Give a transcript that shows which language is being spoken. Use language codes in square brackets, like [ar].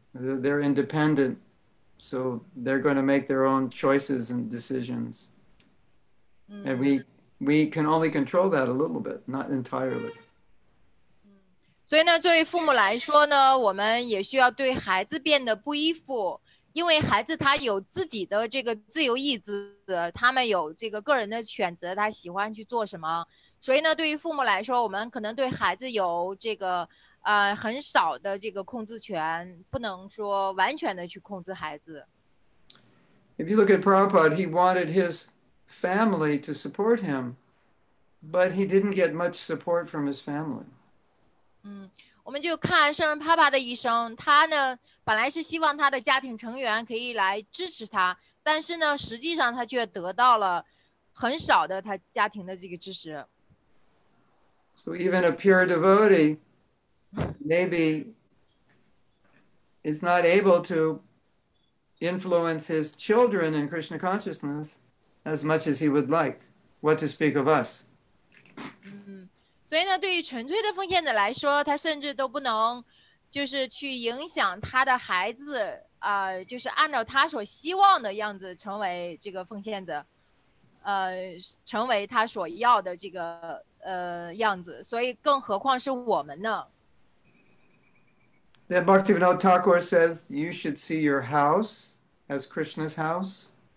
[en] They're independent. So they're going to make their own choices and decisions. And we can only control that a little bit, not entirely. [zh] 所以呢，作为父母来说呢，我们也需要对孩子变得不依附，因为孩子他有自己的这个自由意志，他们有这个个人的选择，他喜欢去做什么。所以呢，对于父母来说，我们可能对孩子有这个很少的这个控制权，不能说完全的去控制孩子。 [en] If you look at Prabhupada, he wanted his family to support him, but he didn't get much support from his family. [zh] 我们就看圣人帕帕的一生，他呢本来是希望他的家庭成员可以来支持他，但是呢实际上他却得到了很少的他家庭的这个支持。 [en] So even a pure devotee maybe is not able to influence his children in Krishna consciousness as much as he would like, what to speak of us. [zh] 所以呢，对于纯粹的奉献者来说，他甚至都不能就是去影响他的孩子，就是按照他所希望的样子成为这个奉献者，成为他所要的这个样子，所以更何况是我们呢？ [en] Then Bhaktivinoda Thakur says, you should see your house as Krishna's house.